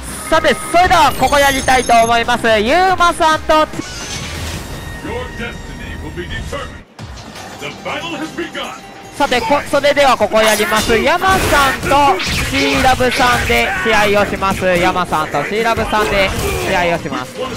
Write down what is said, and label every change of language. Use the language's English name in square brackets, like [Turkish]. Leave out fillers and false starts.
[Japanese] さてそれではここやりたいと思います。ユーマさんと [English] Your destiny will be determined. The battle has begun. [Japanese] さてそれではここやります。ヤマさんとシーラブさんで試合をします。ヤマさんとシーラブさんで試合をします。